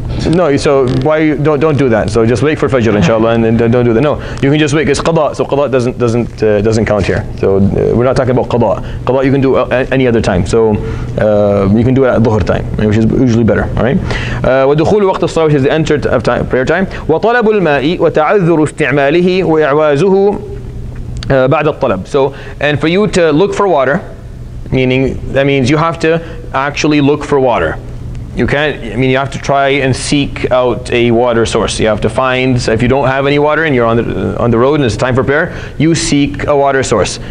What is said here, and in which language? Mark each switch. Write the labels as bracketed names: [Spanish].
[English] No, so why don't do that? So just wait for fajr, inshallah, and then don't do that. No, you can just wait because qada. So qada doesn't count here. So we're not talking about qada. Qada you can do any other time. So you can do it at dhuhr time, which is usually better. All right. [Arabic] ودخول وقت الصلاة, [English] which is the enter of time, prayer time. [Arabic] وطلب الماء وتعذر استعماله وإعوازه بعد الطلب. [English] So and for you to look for water, meaning that means you have to actually look for water. You can't, I mean, you have to try and seek out a water source. You have to find, so if you don't have any water and you're on the road and it's time for prayer, you seek a water source.